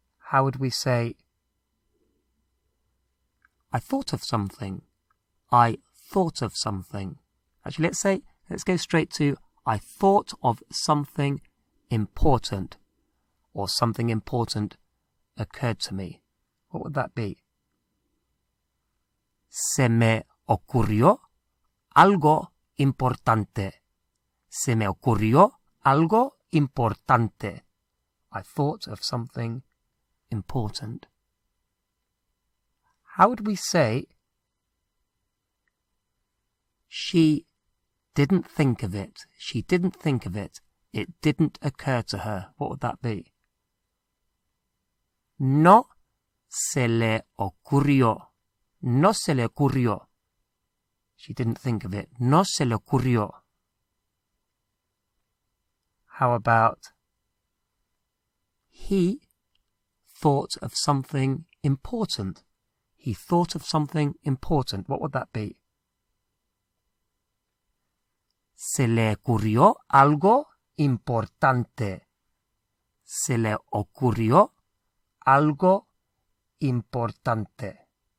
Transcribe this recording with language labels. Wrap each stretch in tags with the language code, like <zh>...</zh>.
<en>How would we say, I thought of something. I thought of something. Actually, let's go straight to, I thought of something important, or something important occurred to me. What would that be?</en> <es>Se me ocurrió algo importante. Se me ocurrió algo importante.</es> <en>I thought of something important. How would we say, she didn't think of it. She didn't think of it. It didn't occur to her. What would that be?</en> <es>No se le ocurrió. No se le ocurrió.</es> <en>She didn't think of it.</en> <es>No se le ocurrió.</es> <en>How about, he thought of something important. He thought of something important. What would that be?</en> <es>Se le ocurrió algo importante. Se le ocurrió algo importante.</es>